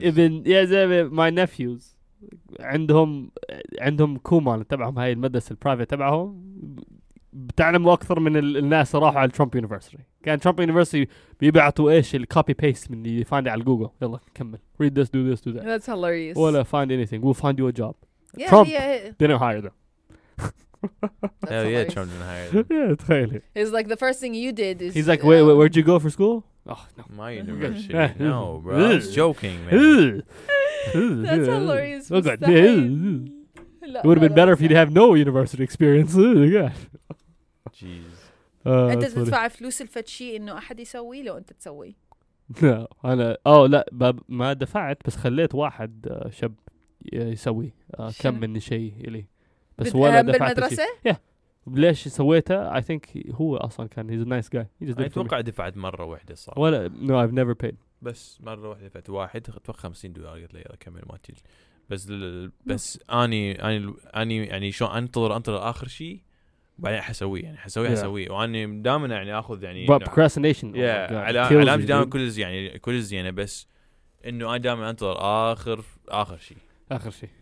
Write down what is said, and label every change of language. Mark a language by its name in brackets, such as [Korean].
[Arabic] ابن يا زلمه ماي نيفيوز عندهم كومان تبعهم هاي المدرسة البرايفت تبعهم بتعلموا أكثر من الناس راحوا على ترامب يونيفرسيتي كان ترامب يونيفرسيتي بيبعتوا إيش الكوبي بيست من اللي فاند على جوجل يلا كمل [English] read this do this do that that's hilarious [Arabic] ولا [English] find anything we'll find you a job yeah, Trump yeah. didn't hire them hell yeah Trump didn't hire them yeah [Arabic] تخيلي [English] it's like the first thing you did is he's like wait where'd you go for school oh no my university no bro I was joking man That's hilarious. Oh God. It would have been better if you'd have no university experience. Jeez. [Arabic] انت تدفع فلوس لفد شيء انه احد يسوي لو انت تسوي. انا لا ما دفعت بس خليت واحد شاب يسوي كم من شيء لي. بس ولا دفعت بالمدرسة؟ [English] Yeah. [Arabic] ليش سويته؟ [English] I think [Arabic] هو اصلا كان [English] he's a nice guy. He just [Arabic] اتوقع دفعت مرة واحدة صح. ولا [English] no I've never paid. [Arabic] بس مرة واحدة فات واحد اتوقع $50 قلت له يلا كمل ما تيجي بس اني يعني شو انتظر اخر شيء بعدين حسويه يعني حسويه yeah. واني دائما يعني اخذ يعني [English] procrastination yeah. [Arabic] علامتي دائما كل زيانة بس انه انا دائما انتظر اخر شيء